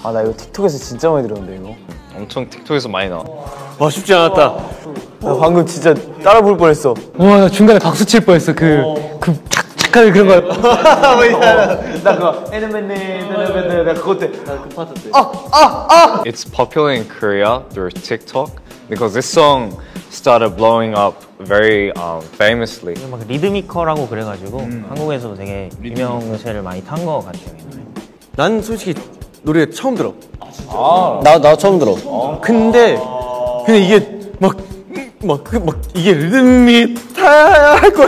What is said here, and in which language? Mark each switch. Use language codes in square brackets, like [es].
[ko] 아, 나 이거 틱톡에서 진짜 많이 들었는데, 이거. 엄청 틱톡에서 많이 나와. 와, 쉽지 않았다. 나 방금 진짜 따라 부를 뻔했어. 와, 나 중간에 박수 칠 뻔했어. 그 그런 거. 나 그거 애니메이션 내가 그때 [en] It's popular in Korea through TikTok because this song started blowing up very famously. [ko] 막 리드미컬하고 그래가지고 한국에서도 되게 유명세를 많이 탄 거 같아요. 난 솔직히 노래 처음 들어. 아 진짜? 나 처음 들어. 근데 이게 막 이게 리듬이 탈 거야.